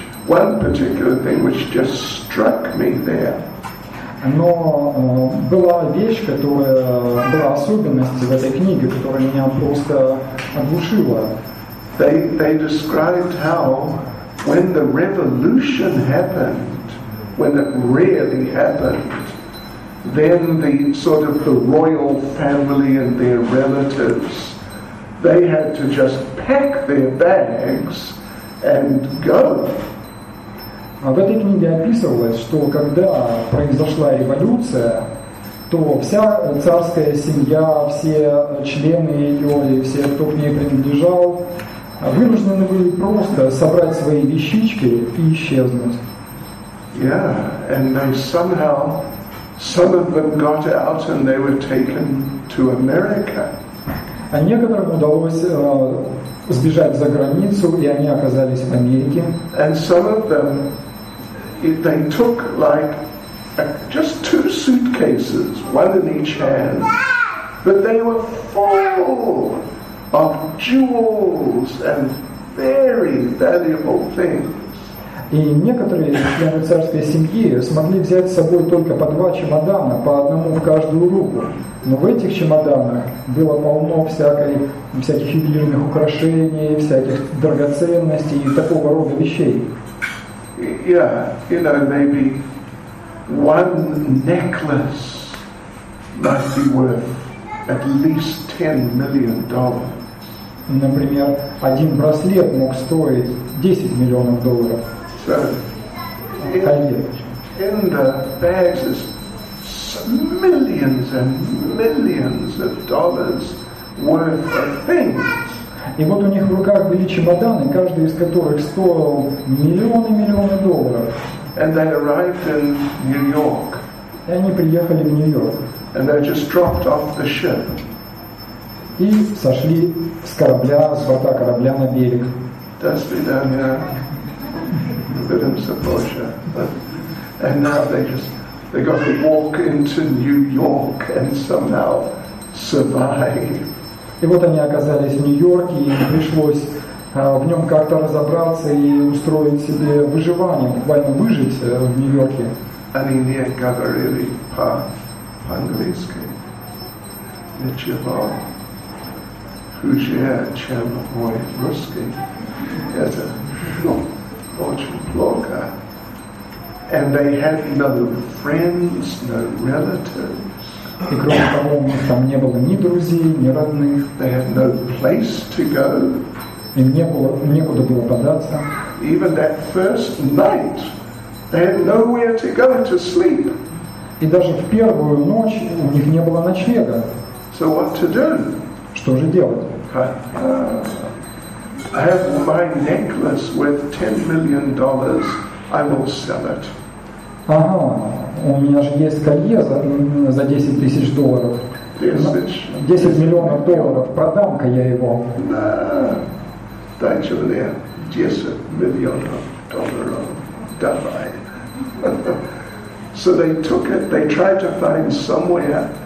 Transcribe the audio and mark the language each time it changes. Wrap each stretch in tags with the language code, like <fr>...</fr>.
<en>One particular thing which just struck me there.</en> <ru>Но была вещь, которая была особенностью в этой книге, которая меня просто оглушила.</ru> <en>They described how when the revolution happened, when it really happened, then the sort of the royal family and their relatives, they had to just pack their bags and go.</en> <ru>В этой книге описывалось, что когда произошла революция, то вся царская семья, все члены ее и все, кто к ней принадлежал, вынуждены были просто собрать свои вещички и исчезнуть.</ru> <en>Yeah, and then somehow some of them got out and they were taken to America.</en> <ru>А некоторым удалось сбежать за границу, и они оказались в Америке.</ru> <en>And some of them, they took like just two suitcases, one in each hand, but they were full of jewels and very valuable things.</en> <ru>И некоторые члены царской семьи смогли взять с собой только по два чемодана, по одному в каждую руку. Но в этих чемоданах было полно всяких ювелирных украшений, всяких драгоценностей и такого рода вещей.</ru> <en>Yeah, you know, maybe one necklace might be worth at least $10 million.</en> <ru>Например, один браслет мог стоить $10 миллионов.</ru> <en>So, in the bags is millions and millions of dollars worth of things.</en> <ru>И вот у них в руках были чемоданы, каждый из которых стоил миллионы долларов.</ru> <en>And they arrived in New York.</en> <ru>И они приехали в Нью-Йорк.</ru> <en>And they just dropped off the ship.</en> <ru>И сошли с корабля, с борта корабля на берег. До свидания. Берем сапожа.</ru> <en>And now they got to walk into New York and somehow survive.</en> <ru>И вот они оказались в Нью-Йорке, и пришлось в нем как-то разобраться и устроить себе выживание, буквально выжить в Нью-Йорке. Они не говорили по-английски. Ничего хуже, чем мой русский. Это очень плохо.</ru> <en>And they had no friends, no relatives.</en> <ru>И кроме того, у них там не было ни друзей, ни родных.</ru> <en>They had no place to go.</en> <ru>Им не было, некуда было податься.</ru> <en>Even that first night, they had nowhere to go to sleep.</en> <ru>И даже в первую ночь у них не было ночлега.</ru> <en>So what to do?</en> <ru>Что же делать?</ru> <en>I have my necklace worth $10 million. I will sell it.</en> <ru>Ага, у меня же есть колье за 10 тысяч долларов. 10 миллионов долларов. Продам-ка я его.</ru> <en>No.</en> <ru>Дай же мне 10 миллионов долларов. Давай.</ru> <en>So they took it, they tried to find somewhere.</en>